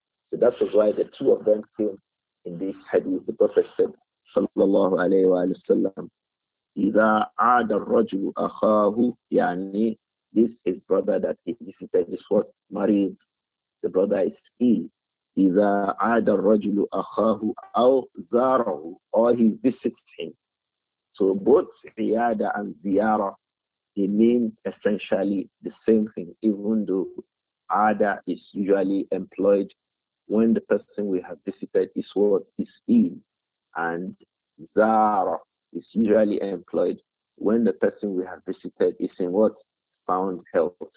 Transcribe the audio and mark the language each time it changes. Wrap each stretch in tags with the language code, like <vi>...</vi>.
<en>So that was why the two of them came in this hadith. The Prophet said, sallallahu alayhi wa sallam,</en> <ar>إِذَا عَادَ الرَّجُلُ أَخَاهُ يَعْنِي,</ar> <en>this is brother that he visited, this was Marid, the brother is ill.</en> <ar>إِذَا عَادَ الرَّجُلُ أَخَاهُ أَوْ زَارَهُ,</ar> <en>or he visits him. So both عِيَادَ and زِيَارَ, they mean essentially the same thing, even though عَادَ is usually employed when the person we have visited is what is ill. And zara is usually employed when the person we have visited is in what? Found health.</en>